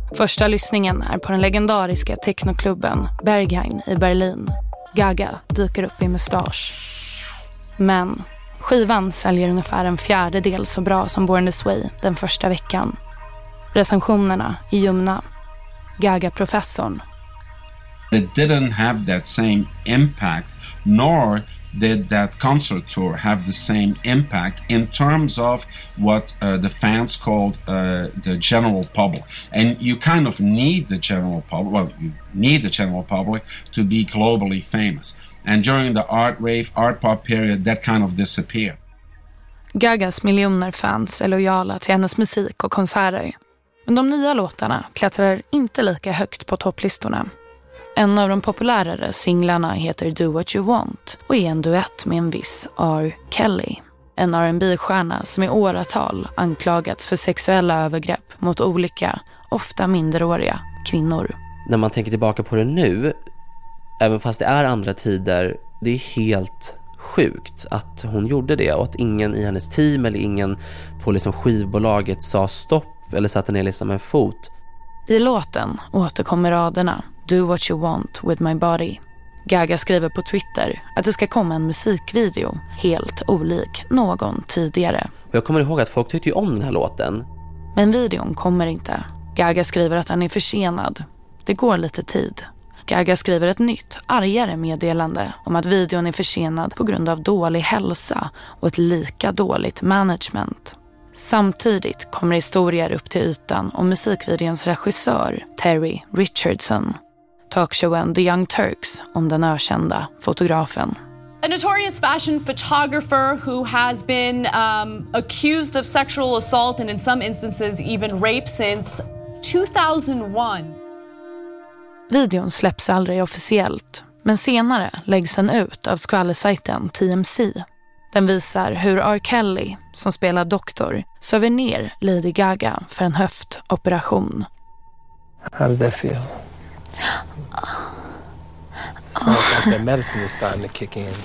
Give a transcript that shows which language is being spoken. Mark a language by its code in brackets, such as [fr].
[sv] Första lyssningen är på den legendariska teknoklubben Berghain i Berlin. Gaga dyker upp i mustasch. Men skivan säljer ungefär en fjärdedel så bra som Born This Way den första veckan. Recensionerna i ljumna. Gaga-professorn. [en] It didn't have that same impact, nor did that concert tour have the same impact in terms of what the fans called the general public. And you kind of need the general public, well, you need the general public to be globally famous. And during the art rave, art pop period, that kind of disappeared. [sv] Gagas miljoner fans är lojala till hennes musik och konserter. Men de nya låtarna klättrar inte lika högt på topplistorna. En av de populärare singlarna heter Do What You Want och är en duett med en viss R. Kelly. En R&B-stjärna som i åratal anklagats för sexuella övergrepp mot olika, ofta minderåriga, kvinnor. När man tänker tillbaka på det nu, även fast det är andra tider, det är helt sjukt att hon gjorde det. Och att ingen i hennes team eller ingen på liksom skivbolaget sa stopp eller satte ner liksom en fot. I låten återkommer raderna. [en] Do what you want with my body. [sv] Gaga skriver på Twitter att det ska komma en musikvideo helt olik någon tidigare. Jag kommer ihåg att folk tyckte om den här låten. Men videon kommer inte. Gaga skriver att den är försenad. Det går lite tid. Gaga skriver ett nytt, argare meddelande om att videon är försenad på grund av dålig hälsa och ett lika dåligt management. Samtidigt kommer historier upp till ytan om musikvideons regissör Terry Richardson. Talkshowen The Young Turks om den ökända fotografen. [en] A notorious fashion photographer who has been accused of sexual assault and in some instances even rape since 2001. [sv] Videon släpps aldrig officiellt, men senare läggs den ut av skvallersajten TMZ. Den visar hur R. Kelly, som spelar doktor, söver ner Lady Gaga för en höftoperation. [en] How does that feel? Sounds like the medicine is starting to kick in.